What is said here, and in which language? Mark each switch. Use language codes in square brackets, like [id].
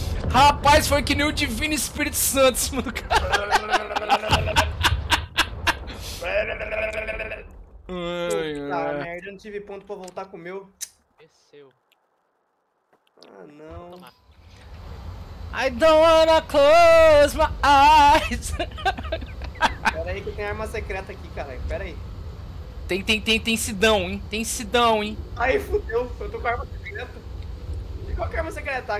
[pt] Rapaz, foi que nem o Divino Espírito Santo, mano. Merda, eu não tive ponto pra voltar com o meu. Desceu. Ah, não. [en] I don't wanna close my eyes. [pt] Pera aí que tem arma secreta aqui, cara. Pera aí. Tem sidão, hein? Aí, fudeu. Eu tô com arma secreta. E qual que é arma secreta?